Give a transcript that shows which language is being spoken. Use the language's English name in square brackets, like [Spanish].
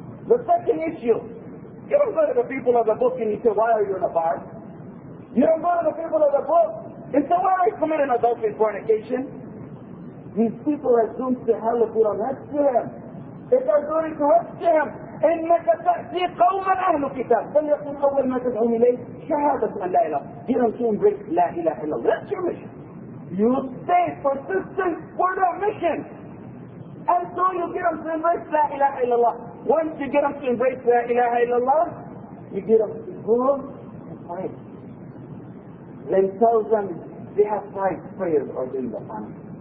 [English] The second issue, you don't go to the people of the book and you say, why are you in a bar? You don't go to the people of the book and say, why are you committing adultery and fornication? These people are doomed to hell if you don't rescue them. If they're doing corrupt to him, [Arabic] انك تأتي قوما اهل كتاب. فليكن اول ما تدعون اليه شهادة ان لا اله الا الله. لا اله الا الله. [English] That's your mission. You stay persistent for that mission. Until you get them to embrace [Arabic] لا اله الا الله. [English] Once you get them to embrace [Arabic] لا اله الا الله, [English] you get them to go and pray. Then tell them they have five prayers or during the time.